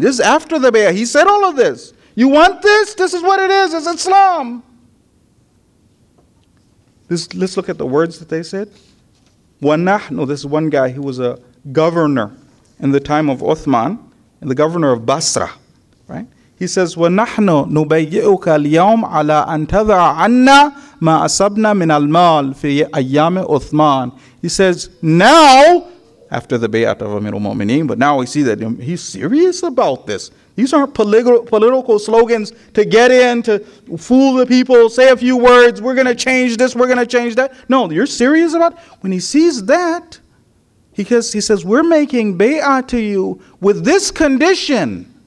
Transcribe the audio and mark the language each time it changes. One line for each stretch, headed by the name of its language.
English: This is after the bay'ah. He said all of this. You want this? This is what it is. It's Islam. Let's look at the words that they said. وَنَحْنُ, this is one guy who was a governor in the time of Uthman, and the governor of Basra, right? He says,
Arabic: وَنَحْنُ نُبَيِّئُكَ الْيَوْمَ عَلَىٰ أَنْ تَذَعَ عَنَّا مَا أَصَبْنَا مِنَ الْمَالِ فِي أَيَّامِ أُثْمَانِ.
English: He says, now, after the bay'at of Amir al-Mu'mineen, but now we see that he's serious about this. These aren't political slogans to get in, to fool the people, say a few words, we're going to change this, we're going to change that. No, you're serious about it? When he sees that, he says, we're making bay'ah to you with this condition.